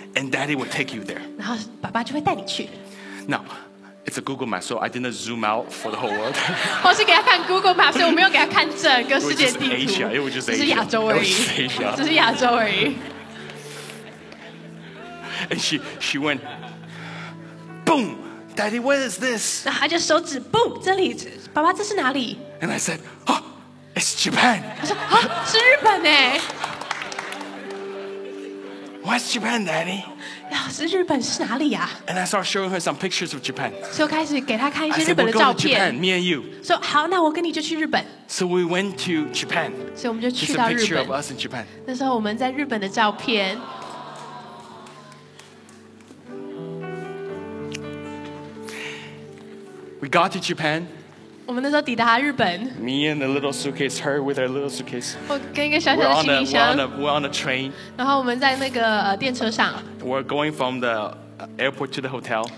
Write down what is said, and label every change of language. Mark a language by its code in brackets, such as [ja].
[en] ，and Daddy will take you there. [zh] 然后爸爸就会带你去。 [en] Now, it's a Google Map, so I didn't zoom out for the whole world. [zh] 我是给他看 Google Map， 所以我没有给他看整个世界地图。 [en] It was just Asia. It was just Asia. [zh] 只是亚洲而已。只是亚洲而已。 [en] And she went, boom, Daddy, where is this? [zh] 然后他就手指 boom 这里，爸爸这是哪里 [en] ？And I said, oh, it's Japan. [zh] 他说啊，是日本诶。 [en] What's Japan, Daddy? [zh] 是日本是哪里呀 [en] ？And I start showing her some pictures of Japan. [zh] 所以我开始给她看一些日本的照片。 [en] I said, "We're going to Japan, me and you." [zh] 说好，那我跟你就去日本。 [en] So we went to Japan. [zh] 所以我们就去到日本。 [en] Just a picture of us in Japan. [zh] 那时候我们在日本的照片。 [en] We got to Japan. [zh] 我们那时候抵达日本。 [en] Me and a little suitcase, her with her little suitcase. [zh] 我跟一个小小的行李箱。 [en] We're on a train. [zh] 然后我们在那个电车上。 [en] We're going from the airport to the hotel.